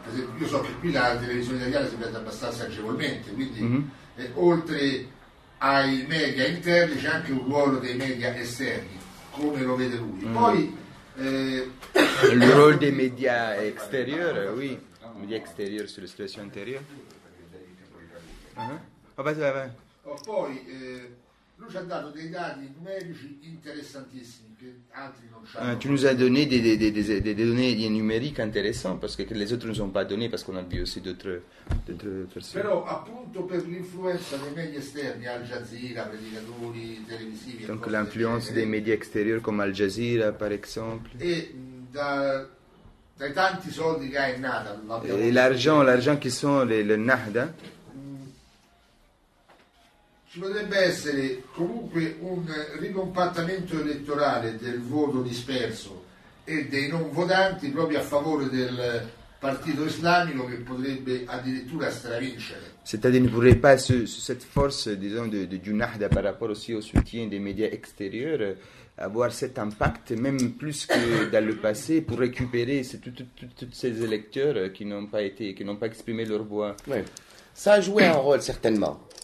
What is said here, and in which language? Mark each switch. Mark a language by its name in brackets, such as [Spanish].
[Italian] Per esempio, io so che qui la televisione italiana si prende abbastanza agevolmente, quindi oltre ai media interni c'è anche un ruolo dei media esterni, come lo vede lui. Poi il ruolo dei media esteriori, oui, media esteriori sulla situazione interiore. Poi lui ci ha dato dei dati numerici interessantissimi. [French] Tu nous as donné des données numériques intéressantes parce que les autres ne nous ont pas donné parce qu'on a vu aussi d'autres personnes. [Italian] Però appunto per l'influenza dei media esterni, Al Jazeera, predicatori televisivi. [French] Donc l'influence des médias extérieurs comme Al Jazeera par exemple. [Italian] E dai tanti soldi che hai in Nahda. [French] E l'argent qui sont le Nahda. [Italian] Potrebbe essere comunque un ricompattamento elettorale del voto disperso e dei non votanti proprio a favore del partito islamico, che potrebbe addirittura stravincere. [French] C'est-à-dire ne pourrait pas su cette force, disons, du Nahda par rapport aussi au soutien des médias extérieurs avoir cet impact même plus que dans le passé pour récupérer tous ces électeurs qui n'ont pas exprimé leur voix. Oui. Ça a joué un rôle certainement.